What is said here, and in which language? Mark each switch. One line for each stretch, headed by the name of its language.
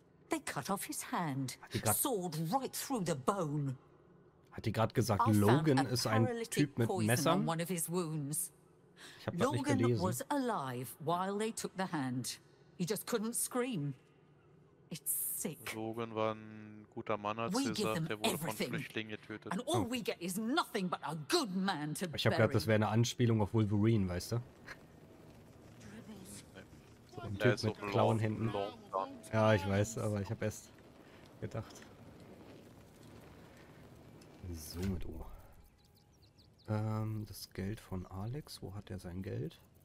English: They cut off his hand, sawed right through the bone.
German: Hat die gerade gesagt, Logan ist ein Typ mit Messern? Ich hab das nicht gelesen.
English: Logan was alive while they took the hand. He just couldn't scream. It's sick.
German: Logan war ein guter Mann, als sie sagt, der wurde von Flüchtlingen getötet.
English: And all we get is nothing but a good man to bury.
German: Ich hab gehört, das wäre eine Anspielung auf Wolverine, weißt du? So ein Typ mit Clown hinten. Logan. Ja, ich weiß, aber ich habe erst gedacht. So, mit Oma. Das Geld von Alex, wo hat er sein Geld?